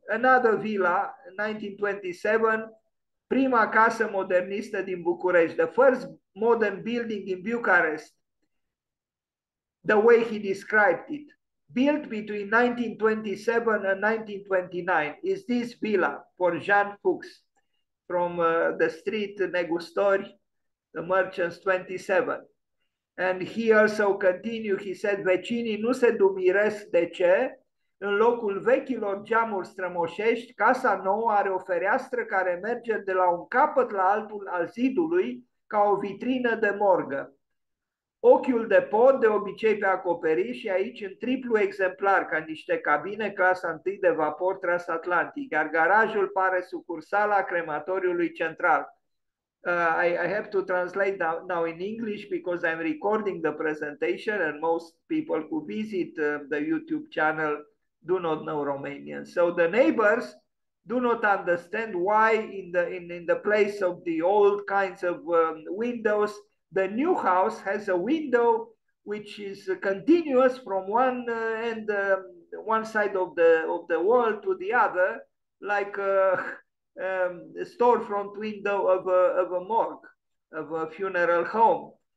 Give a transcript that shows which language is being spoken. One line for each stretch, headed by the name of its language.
English: Another villa, 1927,
Romanian: Prima Casa Modernista
English: in Bucharest, the first modern building in Bucharest, the way he described it, built between 1927 and 1929, is this villa for Jean Fuchs from the street Negustori, the Merchants 27. And he also continued, he said,
Romanian: vecinii nu se dumiresc de ce, în locul vechilor geamuri strămoșești, casa nouă are o fereastră care merge de la un capăt la altul al zidului ca o vitrină de morgă. Ochiul de pod, de obicei pe acoperiș, și aici în triplu exemplar, ca niște cabine, clasa întâi de vapor transatlantic, iar garajul pare sucursala crematoriului central.
English: I have to translate now in English because I'm recording the presentation and most people who visit the YouTube channel do not know Romanian. So the neighbors do not understand why in the place of the old kinds of windows, the new house has a window which is continuous from one end, one side of the wall to the other, like a storefront window of a morgue, of a funeral home.